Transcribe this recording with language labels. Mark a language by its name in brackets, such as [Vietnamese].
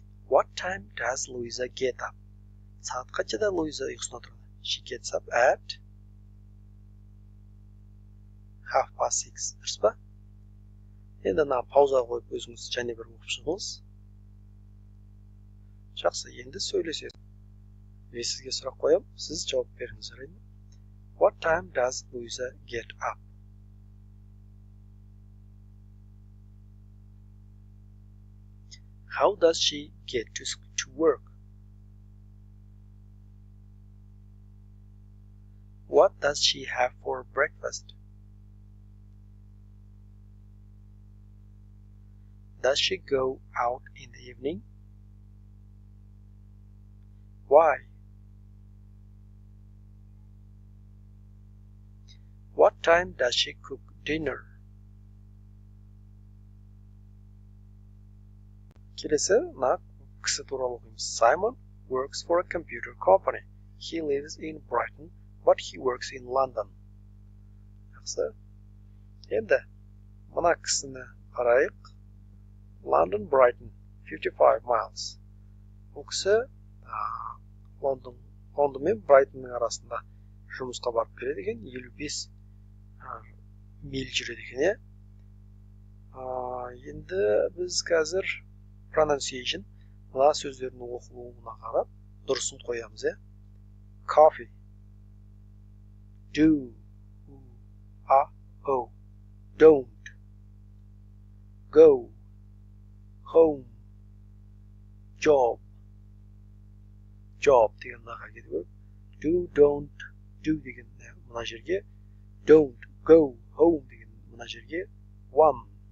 [English] What time does Луиза get up? [Kazakh] Сағат қаншада Луиза ұйқысына тұрады? [English] She gets up at 6:30. [Kazakh] Дұрыс па? Енді ана пауза қойып өзіңіз және бір оқып шығыңыз. Жақсы, енді сөйлесесіз. Мен сізге сұрақ қоям, сіз жауап беріңіз. [English] What time does Луиза get up? How does she get to work? What does she have for breakfast? Does she go out in the evening? Why? What time does she cook dinner? [Kazakh] Келесі, мына кісі туралы оқимыз. [English] Simon works for a computer company. He lives in Brighton, but he works in London. [Kazakh] Жақсы. Енді мына кісіні қарайық. [English] London, Brighton, 55 miles. [Kazakh] Бұл кісі London мен Brighton-ның арасында жұмысқа барып келеді екен. 55 миль жүреді екен. Енді біз қазір pronunciation, мына сөздердің оқылуына қарап дұрысын қоямыз. [English] Coffee, do, a, o, don't, go, home, job [Kazakh] деген мынаға кетіп, [English] do, don't, do деген мына жерге, don't, go, home деген мына жерге, one.